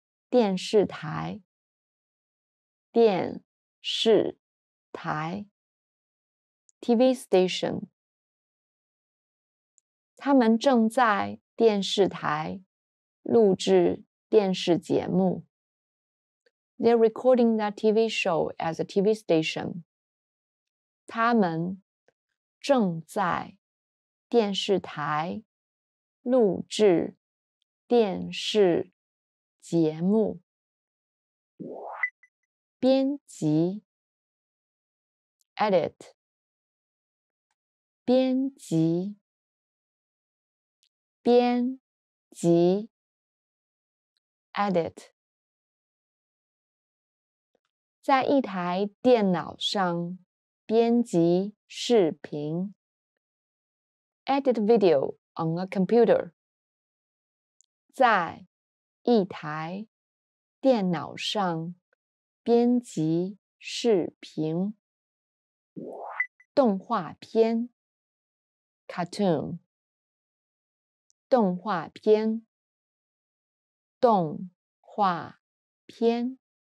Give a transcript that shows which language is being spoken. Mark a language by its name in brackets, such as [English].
[Chinese] 电视台。电视台。 [English] TV station. [Chinese] 他们正在电视台录制电视节目。 [English] They're recording that TV show at the TV station. [Chinese] 他们正在电视台录制电视节目。编辑 [English] Edit [Chinese] 编辑编辑 [English] Edit [Chinese] 在一台电脑上编辑视频 [English] Edit video on a computer [Chinese] 在一台电脑上编辑视频动画片 [English] Cartoon [Chinese] 动画片动画片